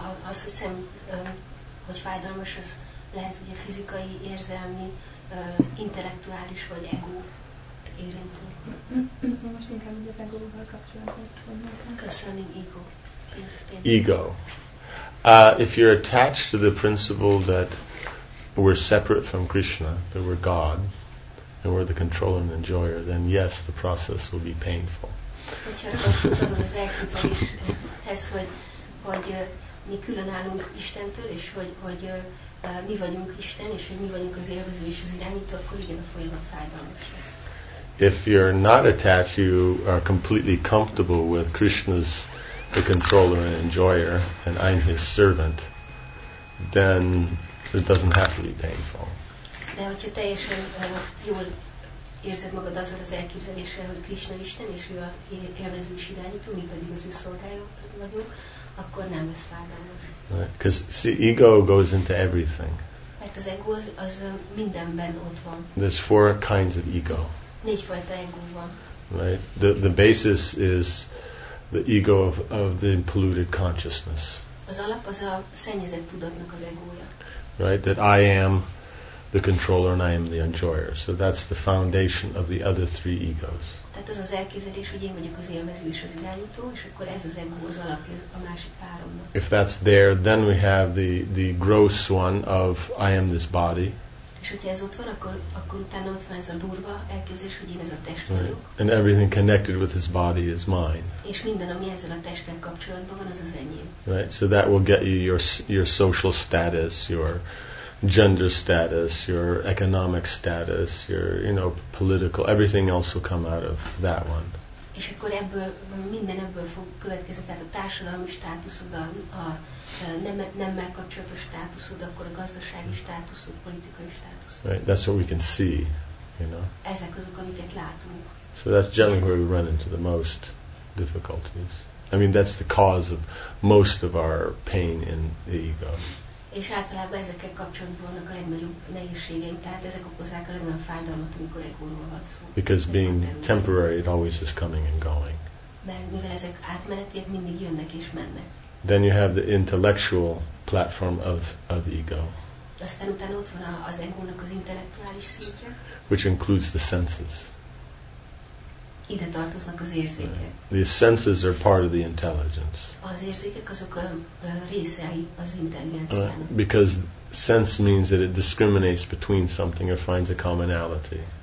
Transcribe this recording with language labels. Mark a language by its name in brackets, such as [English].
[Hungarian] Az, hogy szem, hogy fájdalmas, az lehet ugye fizikai, érzelmi, intellektuális vagy ego érintő. Most inkább ugye az egóval kapcsolatban. [English] Concerning ego. Ego. If you're attached to the principle that we're separate from Krishna, that we're God, and we're the controller and enjoyer, then yes, the process will be painful. [Hungarian] Az az elképzelés tesz, hogy mi különállunk Istentől, és hogy mi vagyunk Isten, és hogy mi vagyunk az élvező és az irányító, akkor igen, a folyamat fájdalmas lesz. [English] If you're not attached, you are completely comfortable with Krishna's the controller and enjoyer, and I'm his servant, then it doesn't have to be painful. [Hungarian] De hogyha teljesen jól érzed magad azzal az elképzeléssel, hogy Krishna Isten, és ő a élvező és irányító, mi pedig az ő szolgája vagyunk, akkor nem lesz fájdalmas. [English] Because see, ego goes into everything. [Hungarian] Mert az ego az mindenben ott van. [English] There's four kinds of ego. [Hungarian] Négyfajta ego van. [English] Right? The basis is the ego of the polluted consciousness. [Hungarian] Az alap az a szennyezett tudatnak az egója. [English] Right? That I am the controller and I am the enjoyer. So that's the foundation of the other three egos. [Hungarian] Tehát az az elképzelés, hogy én vagyok az élvező és az irányító, és akkor ez az ego az alapja a másik háromnak. [English] If that's there, then we have the gross one of I am this body. [Hungarian] És hogyha ez ott van, akkor utána ott van ez a durva elképzelés, hogy én ez a test vagyok. [English] Right. And everything connected with this body is mine. [Hungarian] És minden, ami ezzel a testtel kapcsolatban van, az az enyém. [English] Right, so that will get you your social status, your gender status, your economic status, your, you know, political, everything else will come out of that one. [Hungarian] És akkor ebből, minden ebből fog következni, tehát a társadalmi státuszod, a nemmel kapcsolatos státuszod, akkor a gazdasági státuszod, politikai státuszod. [English] Right, that's what we can see, you know. [Hungarian] Ezek azok, amiket látunk. [English] So that's generally where we run into the most difficulties. I mean, that's the cause of most of our pain in the ego. [Hungarian] És általában ezekkel kapcsolatban vannak a legnagyobb nehézségeink, tehát ezek okozzák a legnagyobb fájdalmat, amikor egóról van szó. [English] Because [Hungarian] ez [English] being temporary, it always is coming and going. [Hungarian] Mert mivel ezek átmenetiek, mindig jönnek és mennek. [English] Then you have the intellectual platform of ego. [Hungarian] Aztán utána ott van az egónak az intellektuális szintje. [English] Which includes the senses. [Hungarian] Ide tartoznak az érzékek. [English] The senses are part of the intelligence. [Hungarian] Az érzékek azok a részei az intelligenciának. [English] Because sense means that it discriminates between something or finds a commonality.